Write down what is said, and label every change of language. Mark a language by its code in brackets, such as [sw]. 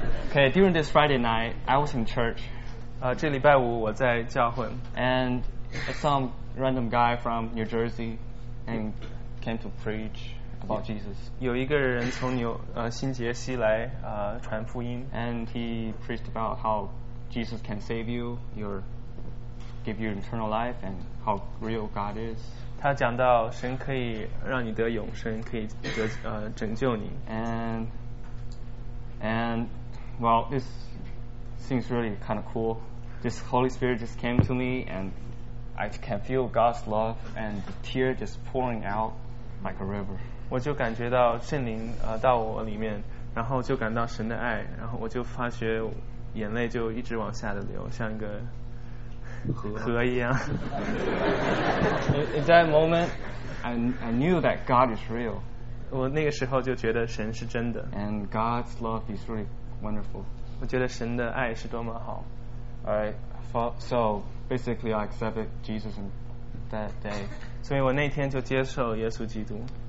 [en] Okay, during this Friday night, I was in church. [zh] 这礼拜五我在教会。 [en] And some random guy from New Jersey and came to preach about Jesus. [zh] 有一个人从新泽西来传福音。 [en] And he preached about how Jesus can save you, give you eternal life, and how real God is. [zh] 他讲到神可以让你得永生，可以拯救你。 [en] And well, this seems really kind of cool. This Holy Spirit just came to me, and I can feel God's love and the tear just pouring out like a river. [zh] 我就感觉到圣灵到我里面，然后就感到神的爱，然后我就发觉眼泪就一直往下的流，像一个河一样。 [en] In that moment, I knew that God is real. [zh] 我那个时候就觉得神是真的。 [en] And God's love is really wonderful. [zh] 我觉得神的爱是多么好。 [en] So basically, I accepted Jesus in that day. [zh] 所以我那天就接受耶稣基督。